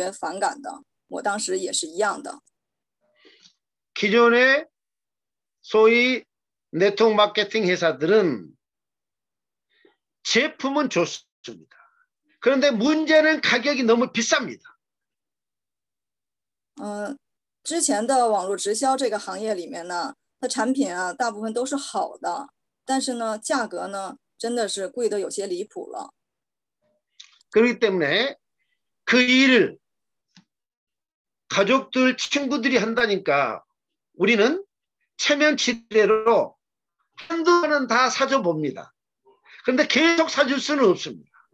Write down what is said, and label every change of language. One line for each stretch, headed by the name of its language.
Chinese: 你们应该也是和我一样的，对这个传销或者是网络直销这样的一个词汇，一定是特别反感的。我当时也是一样的。
Korean: 기존의 소위 네트워크 마케팅 회사들은 제품은 좋습니다. 그런데 문제는 가격이 너무 비쌉니다.
Chinese: 之前的网络直销这个行业里面呢，它产品啊大部分都是好的，但是呢，价格呢真的是贵得有些离谱了。
Korean: 그렇기 때문에 그 일을 가족들, 친구들이 한다니까 우리는 체면치레로 한두 번은 다 사줘봅니다. 그런데 계속 사줄 수는 없습니다.